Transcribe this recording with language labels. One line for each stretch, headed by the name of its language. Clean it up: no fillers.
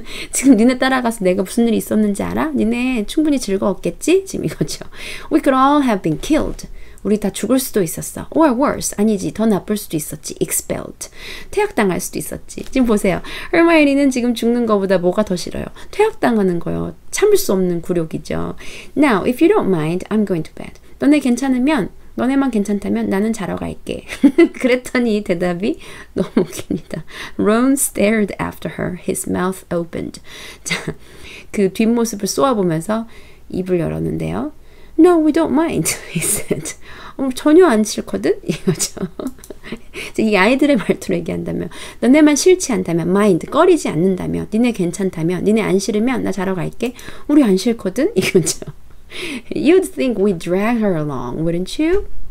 Korean: 지금 니네 따라가서 내가 무슨 일이 있었는지 알아? 니네 충분히 즐거웠겠지? 지금 이거죠.
English: We could all have been killed.
Korean: 우리 다 죽을 수도 있었어.
English: Or worse.
Korean: 아니지. 더 나쁠 수도 있었지.
English: Expelled.
Korean: 퇴학당할 수도 있었지. 지금 보세요. 헤르마이오니는 지금 죽는 것보다 뭐가 더 싫어요? 퇴학당하는 거요. 참을 수 없는 굴욕이죠.
English: Now, if you don't mind, I'm going to bed.
Korean: 너네 괜찮으면, 너네만 괜찮다면 나는 자러 갈게. 그랬더니 대답이 너무 웃깁니다.
English: Ron stared after her. His mouth opened.
Korean: 자, 그 뒷모습을 쏘아보면서 입을 열었는데요.
English: No, we don't mind, he said.
Korean: 전혀 안 싫거든? 이거죠. 이 아이들의 말투로 얘기한다면 너네만 싫지 않다면, mind, 꺼리지 않는다면 니네 괜찮다면, 니네 안 싫으면 나 자러 갈게. 우리 안 싫거든? 이거죠.
English: You'd think we'd drag her along, wouldn't you?